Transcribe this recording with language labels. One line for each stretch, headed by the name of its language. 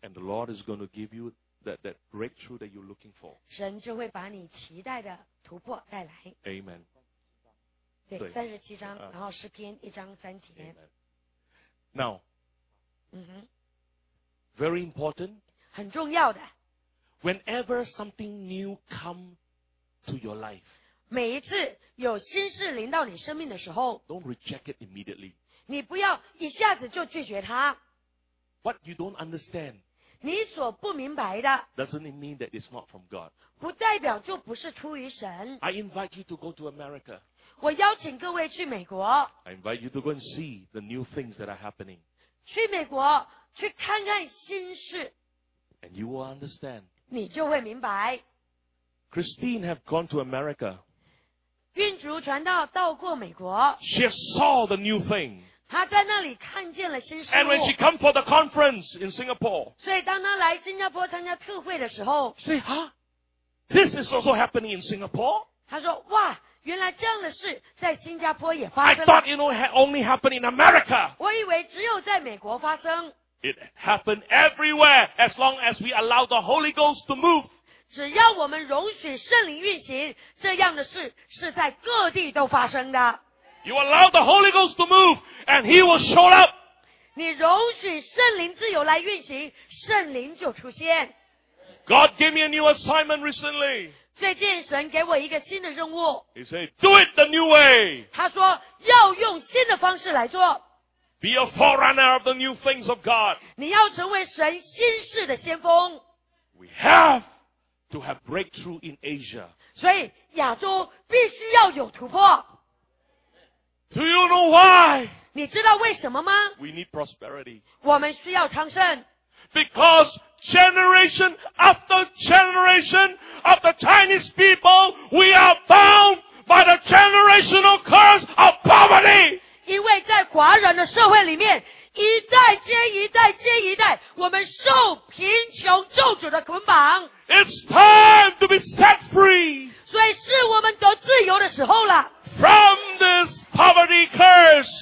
English: And the Lord is going to give you that breakthrough that you're looking for.
Chinese: 神就会把你期待的突破带来。
English: Amen.
Chinese: 对，三十七章，然后诗篇一章三节。
English: Amen. Now. 嗯哼。 Very important.
Chinese: 很重要的。
English: Whenever something new comes to your life,
Chinese: 每一次有新事临到你生命的时候
English: don't reject it immediately.
Chinese: 你不要一下子就拒绝它。
English: What you don't understand,
Chinese: 你所不明白的
English: doesn't it mean that it's not from God?
Chinese: 不代表就不是出于神。
English: I invite you to go to America.
Chinese: 我邀请各位去美国。
English: I invite you to go and see the new things that are happening.
Chinese: 去美国，去看看新事。
English: And you will understand.
Chinese: 你就会明白。
English: Christine have gone to America.
Chinese: 运竹传道到过美国。
English: She saw the new thing.
Chinese: 她在那里看见了新事物。
English: And when she come for the conference in Singapore.
Chinese: 所以当她来新加坡参加特会的时候。
English: Say, huh? This is also happening in Singapore?
Chinese: 她说，哇，原来这样的事在新加坡也发生了。
English: I thought it only happened in America.
Chinese: 我以为只有在美国发生。
English: It happened everywhere as long as we allow the Holy Ghost to move.
Chinese: 只要我们容许圣灵运行，这样的事是在各地都发生的。
English: You allow the Holy Ghost to move, and He will show up.
Chinese: 你容许圣灵自由来运行，圣灵就出现。
English: God gave me a new assignment recently.
Chinese: 最近神给我一个新的任务。
English: He said, "Do it the new way."
Chinese: 他说要用新的方式来做。
English: Be a forerunner of the new things of God.
Chinese: 你要成为神新事的先锋。
English: We have to have breakthrough in Asia.
Chinese: 所以亚洲必须要有突破。
English: Do you know why?
Chinese: 你知道为什么吗?
English: We need prosperity.
Chinese: 我们需要昌盛。
English: Because generation after generation of the Chinese people, we are bound by the generational curse of poverty.
Chinese: 因为在华人的社会里面，一代接一代接一代，我们受贫穷咒诅的捆绑。
English: It's time to be set free.
Chinese: 所以是我们得自由的时候了。
English: From this poverty curse.